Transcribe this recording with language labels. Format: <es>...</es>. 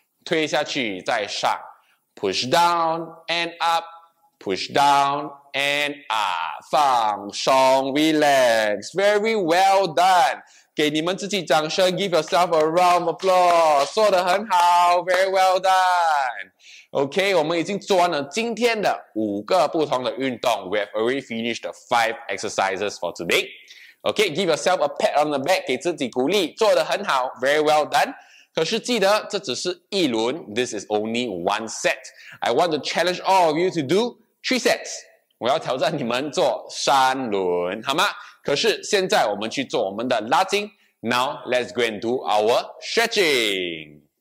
<zh>推下去，再上</zh> <en>，push down and up，push down and up，</en> <zh>放松</zh> <en>，relax，very well done，</en> <zh>给你们自己掌声</zh> <en>，give yourself a round of applause，</en> <zh>做得很好</zh> <en>，very well done。</en> <zh>OK， 我们已经做完了今天的五个不同的运动。</zh> <en>We have already finished the 5 exercises for today. OK, give yourself a pat on the back,</en> <zh>给自己鼓励，做得很好，</zh> <en>very well done.</en> <zh>可是记得这只是一轮</zh> <en>This is only one set. I want to challenge all of you to do 3 sets.</en> <zh>我要挑战你们做三轮好吗？可是现在我们去做我们的拉筋。</zh> <en>Now let's go and do our stretching.</en>